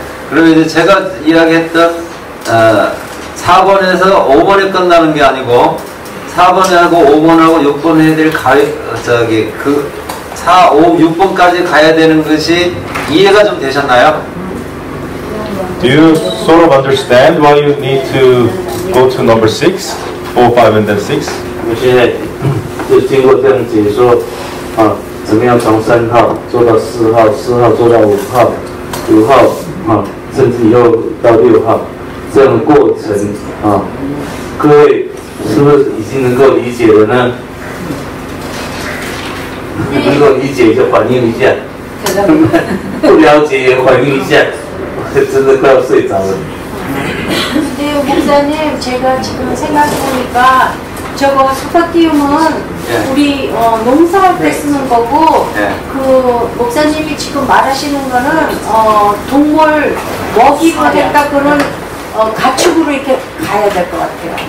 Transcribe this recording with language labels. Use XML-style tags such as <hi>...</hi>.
<ko>그러면 이제 제가 이야기했던 4번에서 5번이 끝나는 게 아니고 4번하고 5번하고 6번 해야 될 4, 5, 6번까지 가야 되는 것이 이해가 좀 되셨나요?</ko> <en>Do you sort of understand why you need to go to number 6, 4, 5, and then 6?</en> <zh>我现在就经过这样解说 怎么样从3号做到4号，4号做到5号，5号甚至以后到6号，这样的过程各位是不是已经能够理解了呢？能够理解就反映一下，不了解也反映一下，真的快要睡着了。对，</zh> <ko>목사님，제가지금생각하니까 저거 스파티움은 우리 농사할 때 쓰는 거고 그 목사님이 지금 말하시는 거는 동물 먹이로 했다 그런 가축으로 이렇게 가야 될 것 같아요.</ko>